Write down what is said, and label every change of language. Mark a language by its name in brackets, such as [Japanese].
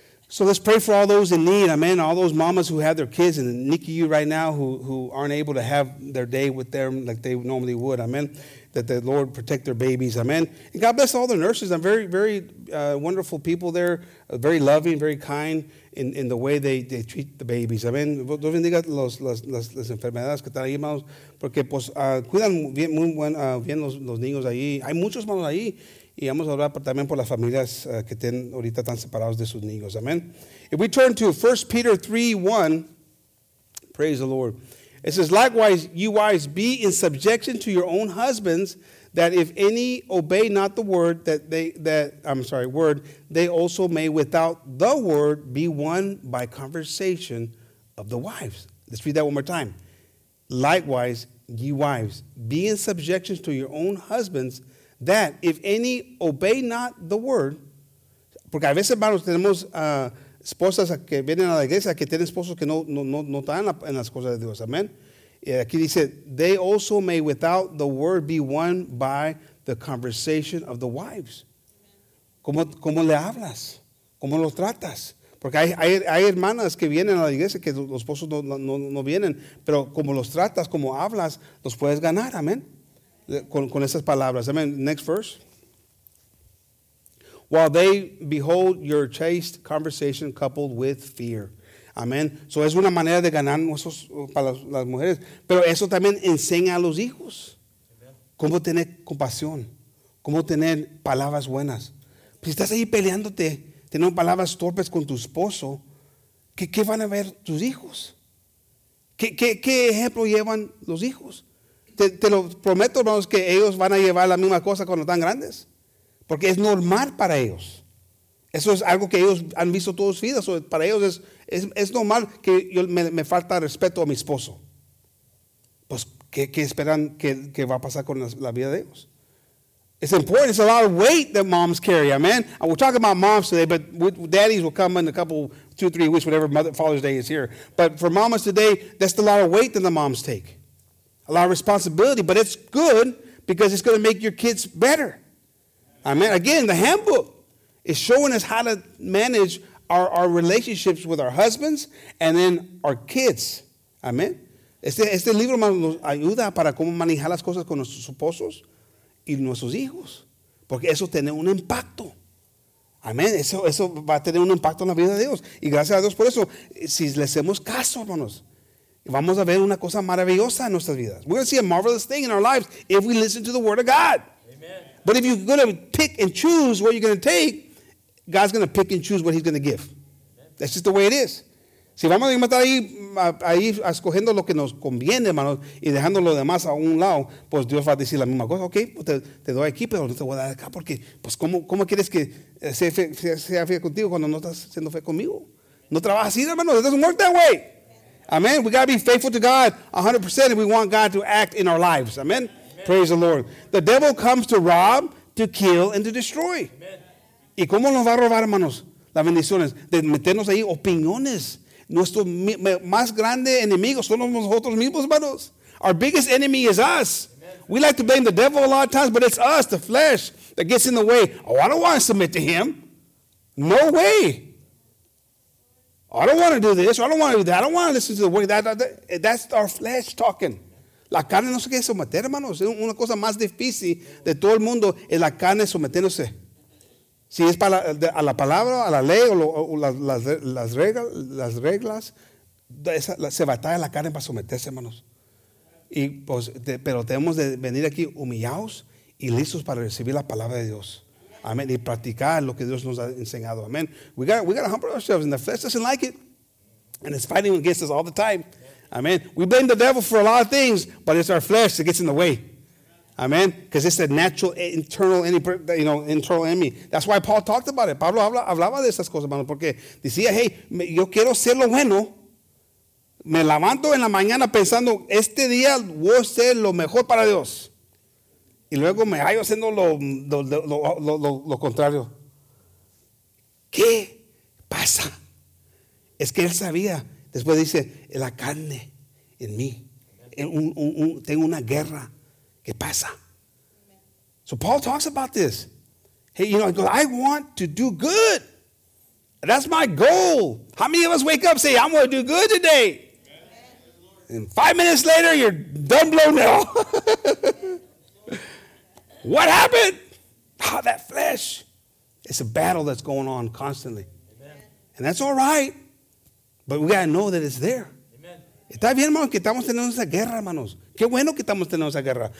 [English] So let's pray for all those in need. Amen. All those mamas who have their kids in the NICU right now who aren't able to have their day with them like they normally would. Amen. That the Lord protect their babies. Amen. And God bless all the nurses. I'm very, very wonderful people there. Very loving, very kind in the way they treat the babies. Amen. [Spanish] Dios bendiga las enfermedades que están ahí, hermanos. Porque pues cuidan bien, muy buen, bien los niños ahí. Hay muchos hermanos ahí. Y vamos a hablar también por las familias que estén ahorita tan separados de sus niños. [English] Amen. If we turn to 1 Peter 3:1, praise the Lord. It says, likewise, you wives, be in subjection to your own husbands, that if any obey not the word, they also may without the word be won by conversation of the wives. Let's read that one more time. Likewise, ye wives, be in subjection to your own husbands, that if any obey not the word, [Spanish] porque a veces, hermanos, tenemos esposas que vienen a la iglesia que tienen esposos que no están en las cosas de Dios. [English] Amen. [Spanish] Y aquí dice, [English] they also may without the word be won by the conversation of the wives. [Spanish] ¿Cómo le hablas? ¿Cómo lo tratas? Porque hay hermanas que vienen a la iglesia que los esposos no vienen, pero como los tratas, como hablas, los puedes ganar. Amen. Con esas palabras. Amen. [English] Next verse. While they behold your chaste conversation coupled with fear. Amen. [Spanish] So es una manera de ganar nuestros, para las mujeres. Pero eso también enseña a los hijos. Cómo tener compasión. Cómo tener palabras buenas. Si estás ahí peleándote, teniendo palabras torpes con tu esposo, ¿qué van a ver tus hijos? ¿Qué ejemplo llevan los hijos? Te lo prometo, hermanos, que ellos van a llevar la misma cosa cuando están grandes. Porque es normal para ellos. Eso es algo que ellos han visto toda su vida. So, para ellos es normal que yo me falta respeto a mi esposo. Pues, ¿qué esperan que va a pasar con la vida de ellos? [English] It's important. It's a lot of weight that moms carry, amen? And we're talking about moms today, but daddies will come in a couple, 2-3 weeks, whatever Father's Day is here. But for mamas today, that's a lot of weight that the moms take. A lot of responsibility, but it's good because it's going to make your kids better. Amen. Again, the handbook is showing us how to manage our relationships with our husbands and then our kids. Amen. [Spanish] Este libro nos ayuda para cómo manejar las cosas con nuestros esposos y nuestros hijos. Porque eso tiene un impacto. Amen. Eso va a tener un impacto en la vida de Dios. Y gracias a Dios por eso. Si le hacemos caso, hermanos. Vamos a ver una cosa maravillosa en nuestras vidas. [English] We're going to see a marvelous thing in our lives if we listen to the word of God. Amen. But if you're going to pick and choose what you're going to take, God's going to pick and choose what he's going to give. Amen. That's just the way it is. [Spanish] Si vamos a estar ahí escogiendo lo que nos conviene, hermano, y dejando lo demás a un lado, pues Dios va a decir la misma cosa. Ok, te doy aquí, pero no te voy a dar acá. Porque, pues, ¿cómo quieres que sea fiel contigo cuando no estás siendo fiel conmigo? No trabajas así, hermano. [English] It doesn't work that way. Amen. We got to be faithful to God 100% if we want God to act in our lives. Amen? Amen. Praise the Lord. The devil comes to rob, to kill, and to destroy. Amen. [Spanish] ¿Y cómo nos va a robar, hermanos, las bendiciones? De meternos ahí opiniones. Nuestro más grande enemigo son nosotros mismos, hermanos. [English] Our biggest enemy is us. Amen. We like to blame the devil a lot of times, but it's us, the flesh, that gets in the way. Oh, I don't want to submit to him. No way. I don't want to do this. I don't want to do that. I don't want to listen to the word. That's our flesh talking. [Spanish] La carne no se quiere someter, hermanos. Es una cosa más difícil de todo el mundo es la carne sometiéndose. Si es para a la palabra, a la ley, o las reglas, se batalla la carne para someterse, hermanos. Y, pues, pero tenemos de venir aquí humillados y listos para recibir la palabra de Dios. Amen. Y practicar lo que Dios nos ha enseñado. Amen. [English] We got to humble ourselves, and the flesh doesn't like it. And it's fighting against us all the time. Amen. We blame the devil for a lot of things, but it's our flesh that gets in the way. Amen. Because it's a natural internal enemy, you know, internal enemy. That's why Paul talked about it. [Spanish] Pablo hablaba de esas cosas, hermano, porque decía, hey, yo quiero ser lo bueno. Me levanto en la mañana pensando, este día voy a ser lo mejor para Dios. Y luego me hallo haciendo lo contrario. ¿Qué pasa? Es que él sabía. Después dice, la carne en mí. Tengo una guerra. ¿Qué pasa? [English] So Paul talks about this. Hey, you know, he goes, I want to do good. That's my goal. How many of us wake up and say, I'm going to do good today? And 5 minutes later, you're done blowing it all. What happened? Oh, that flesh. It's a battle that's going on constantly. Amen. And that's all right. But we got to know that it's there. [Spanish] Está bien, hermanos, que estamos teniendo esa guerra, hermanos. Qué bueno que estamos teniendo esa guerra.